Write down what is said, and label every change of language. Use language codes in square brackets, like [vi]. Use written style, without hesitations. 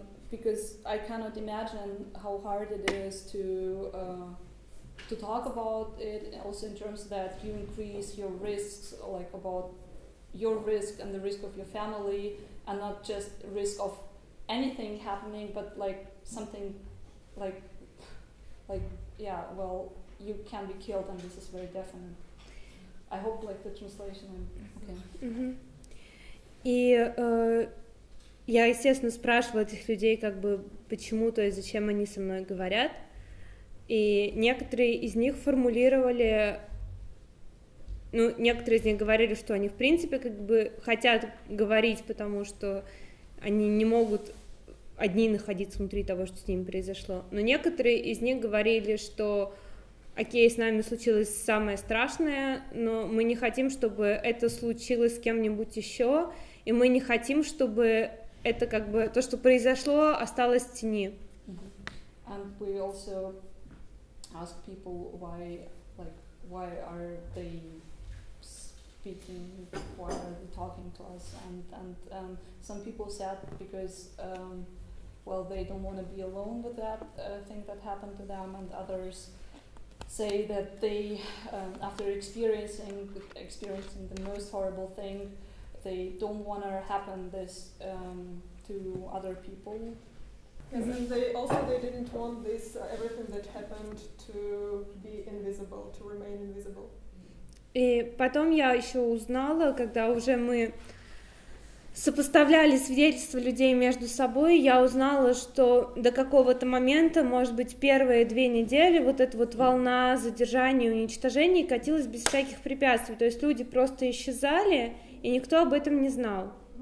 [en] because I cannot imagine how hard it is to talk about it, also in terms that you increase your risks, like about your risk and the risk of your family, and not just risk of anything happening, but like something like yeah, well, you can be killed, and this is very definite. I hope like the translation. Okay. [ru] Mm-hmm. И я, естественно, спрашиваю этих людей, как бы, почему, то есть зачем они со мной говорят. И некоторые из них формулировали, ну, некоторые из них говорили, что они, в принципе, как бы хотят говорить, потому что они не могут одни находиться внутри того, что с ними произошло. Но некоторые из них говорили, что окей, с нами случилось самое страшное, но мы не хотим, чтобы это случилось с кем-нибудь еще, и мы не хотим, чтобы это как бы то, что произошло, осталось в тени. [en] And we also ask people why, like, why are they speaking, why are they talking to us? And some people said because well, they don't want to be alone with that thing that happened to them, and others say that they, after experiencing the most horrible thing, they don't want to happen this to other people. And then they didn't want this everything that happened to be invisible, to remain invisible. [ru] И потом я еще узнала, когда уже мы сопоставляли свидетельства людей между собой, я узнала, что до какого-то момента, может быть, первые две недели вот эта вот волна задержания и уничтожения катилась без всяких препятствий, то есть люди просто исчезали, и никто об этом не знал.